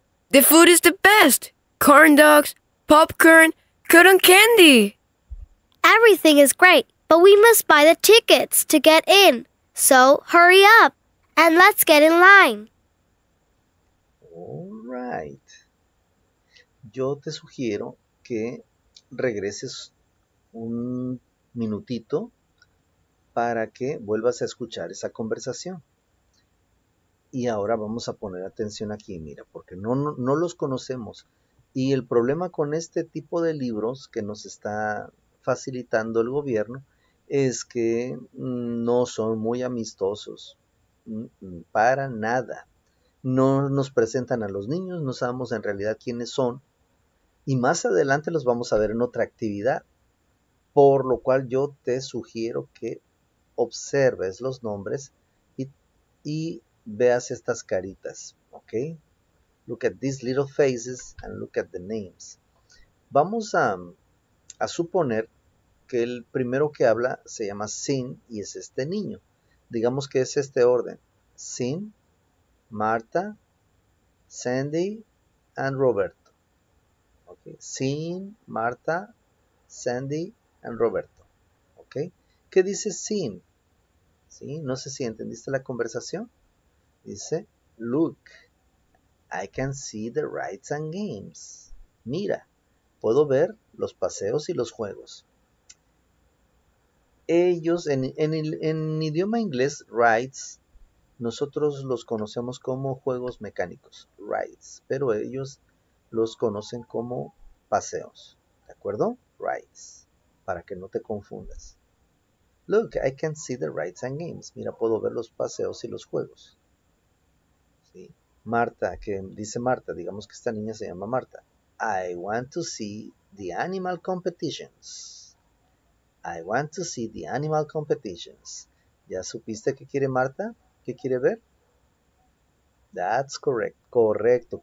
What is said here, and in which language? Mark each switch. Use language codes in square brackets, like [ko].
[en] The food is the best! Corn dogs, popcorn, cotton candy! Everything is great, but we must buy the tickets to get in. So hurry up and let's get in line. All right. [es] Yo te sugiero que regreses un minutito para que vuelvas a escuchar esa conversación. Y ahora vamos a poner atención aquí, mira, porque no los conocemos. Y el problema con este tipo de libros que nos está facilitando el gobierno es que no son muy amistosos, para nada. No nos presentan a los niños, no sabemos en realidad quiénes son. Y más adelante los vamos a ver en otra actividad. Por lo cual yo te sugiero que observes los nombres y veas estas caritas, ¿ok? [en] Look at these little faces and look at the names. [es] Vamos a suponer que el primero que habla se llama Sin y es este niño. Digamos que es este orden. Sin, Marta, Sandy and Roberto. Okay. Sin, Marta, Sandy and Roberto. Okay. ¿Qué dice Sin? ¿Sí? No sé si entendiste la conversación. [en] Dice, look, I can see the rides and games. [es] Mira, puedo ver los paseos y los juegos. Ellos, en idioma inglés, rides, nosotros los conocemos como juegos mecánicos, rides. Pero ellos los conocen como paseos, ¿de acuerdo? Rides, para que no te confundas. [en] Look, I can see the rides and games. [es] Mira, puedo ver los paseos y los juegos. ¿Sí? Marta, que dice Marta, digamos que esta niña se llama Marta. [en] I want to see the animal competitions. I want to see the animal competitions. ¿Ya supiste qué quiere Marta? ¿Qué quiere ver? That's correct. Correcto.